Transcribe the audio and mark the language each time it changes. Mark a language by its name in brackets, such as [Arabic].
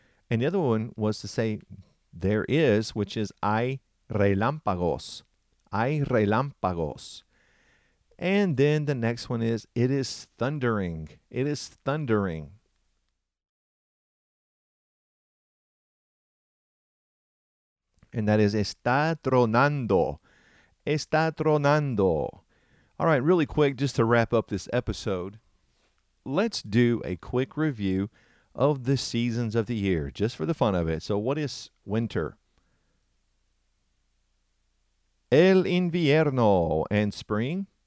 [English] And the other one was to say there is, which is [Spanish] hay relámpagos, hay relámpagos. [English] And then the next one is, it is thundering, it is thundering. And that is [Spanish] está tronando. Está tronando. [English] All right, really quick, just to wrap up this episode, let's do a quick review of the seasons of the year, just for the fun of it. So what is winter? [Spanish] El invierno. [English] And spring?